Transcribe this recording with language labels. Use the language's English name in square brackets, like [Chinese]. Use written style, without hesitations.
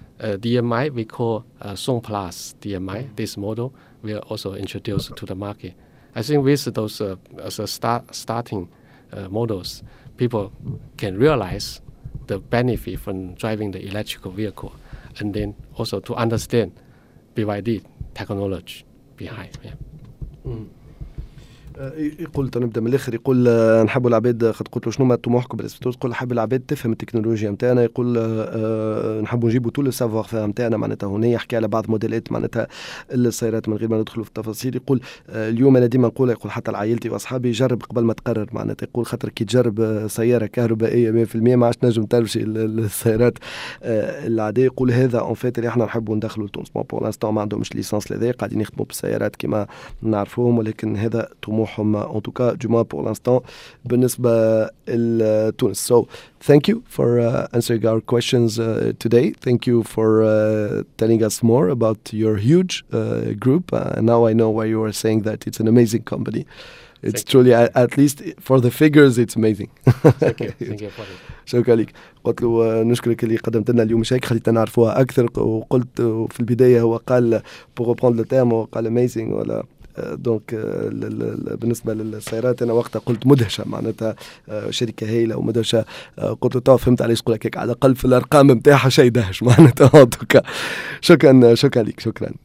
[English] DMI, we call Song Plus DMI. This model will also introduce to the market. I think with those starting models, people can realize the benefit from driving the electrical vehicle. And then also to understand BYD technology behind. Yeah. Mm. [Arabic] يقول تنبدا من الاخر يقول نحب العباد قد قلت له شنو ما طموحكم بالنسبه تقول قل حاب العباد تفهم التكنولوجيا نتاعنا يقول نحب نجيبوا طول السافوار فير نتاعنا معناتها هنا يحكي على بعض موديلات معناتها السيارات من غير ما ندخلوا في التفاصيل يقول اليوم انا ديما نقول يقول حتى لعائلتي واصحابي جرب قبل ما تقرر معناتها يقول خاطر كي تجرب سياره كهربائيه 100% ما عادش نجم تمشي السيارات العاديه يقول هذا اون فيت اللي احنا نحبوا ندخلوا لتونس بون لانستون ما عندهمش ليسانس لذا قاعدين يخدموا بالسيارات كما نعرفوهم ولكن هذا [French] en tout cas du moins pour l'instant [Arabic] بالنسبة لتونس. [English] So thank you for answering our questions today. Thank you for telling us more about your huge group. Now I know why you are saying that it's an amazing company. It's thank truly you. At least for the figures it's amazing. Thank you. [Arabic] شكرا لك. قلت له نشكرك اللي قدمت لنا اليوم شيء خليتنا نعرفوها اكثر وقلت في البداية هو قال [French] pour reprendre le terme [Arabic] وقال amazing ولا دونك بالنسبه للسيارات انا وقتها قلت مدهشه معناتها شركه هايله ومدهشه قلت تو فهمت علاش تقول هكاك على الاقل في الارقام نتاعها شيء دهش معناتها دونك شكرا لك